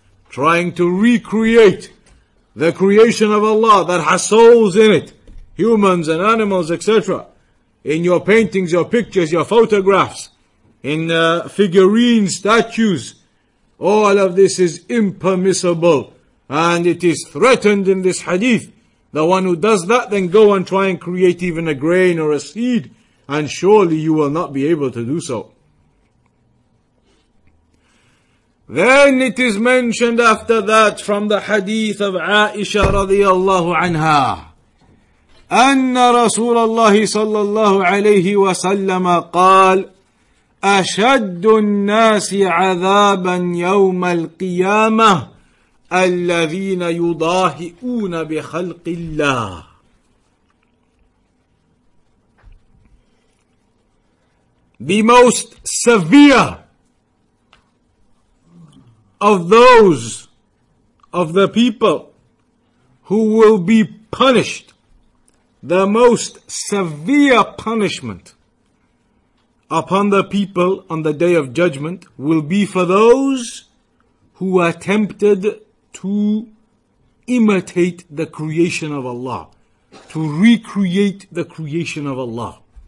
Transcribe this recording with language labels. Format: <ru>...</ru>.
<en>Trying to recreate the creation of Allah that has souls in it, humans and animals, etc., in your paintings, your pictures, your photographs, in figurines, statues, all of this is impermissible. And it is threatened in this hadith. The one who does that, then go and try and create even a grain or a seed, and surely you will not be able to do so. Then it is mentioned after that from the hadith of Aisha radiallahu anha,</en> <ar>أَنَّ رَسُولَ اللَّهِ صَلَّى اللَّهُ عَلَيْهِ وَسَلَّمَ قَالَ أَشَدُّ النَّاسِ عَذَابًا يَوْمَ الْقِيَامَةِ الَّذِينَ يُضَاهِئُونَ بِخَلْقِ اللَّهِ.</ar> <en>The most severe of those of the people who will be punished, the most severe punishment upon the people on the day of judgment will be for those who attempted to imitate the creation of Allah, to recreate the creation of Allah.</en>